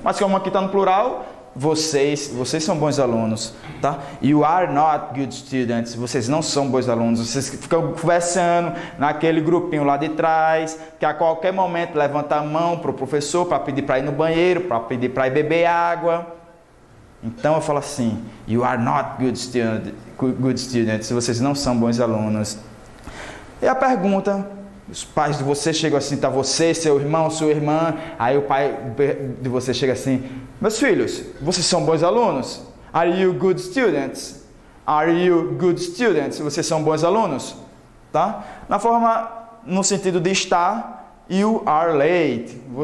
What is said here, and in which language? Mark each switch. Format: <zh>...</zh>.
<pt>Mas como aqui está no plural, vocês são bons alunos, tá?</pt> <en>You are not good students.</en> <pt>Vocês não são bons alunos. Vocês ficam conversando naquele grupinho lá de trás, que a qualquer momento levanta a mão para o professor para pedir para ir no banheiro, para pedir para ir beber água. Então eu falo assim,</pt> <en>you are not good students.</en> <pt>Vocês não são bons alunos. E a pergunta... Os pais de você chegam assim, tá você, seu irmão, sua irmã. Aí o pai de você chega assim, meus filhos, vocês são bons alunos?</pt> <en>Are you good students? Are you good students?</en> <pt>Vocês são bons alunos? Tá? Na forma, no sentido de estar,</pt> <en>you are late.</en>